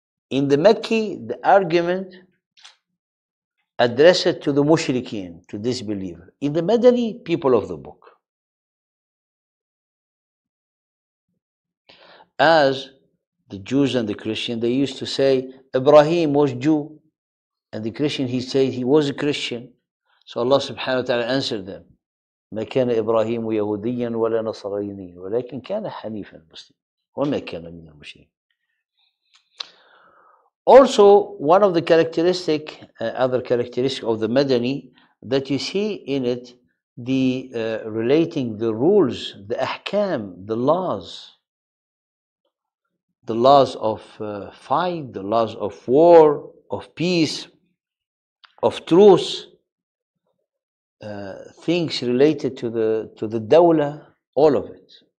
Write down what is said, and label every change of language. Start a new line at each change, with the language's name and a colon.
English: In the Makki, the argument address it to the mushrikeen, to disbeliever. In the Madani, people of the book. As the Jews and the Christian, they used to say, Ibrahim was Jew. And the Christian, he said he was a Christian. So Allah subhanahu wa ta'ala answered them,
Arabic: مَا كَانَ إِبْرَاهِيمُ يَهُودِيًّا وَلَا نَصَرَيْنِيًّا وَلَكِنْ كَانَ حَنِيفًا مُسْلِمًا وَمَا كَانَ مِنَ الْمُشْرِكِينَ.
English: Also, one of the characteristic, other characteristic of the Madani, that you see in it, the relating the rules, the ahkam, the laws of fight, the laws of war, of peace, of truce, things related to the dawla, all of it.